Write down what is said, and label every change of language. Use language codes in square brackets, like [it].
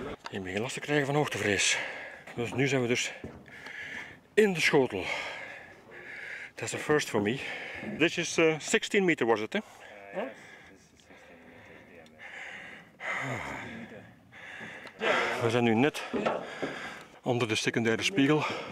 [nl] Je begint last te krijgen van hoogtevrees. Dus nu zijn we dus in de schotel. [en] That's a first for me. This is 16 meter was it, hè? Yes, this is 16 meter diameter. [nl] We zijn nu net onder de secundaire spiegel.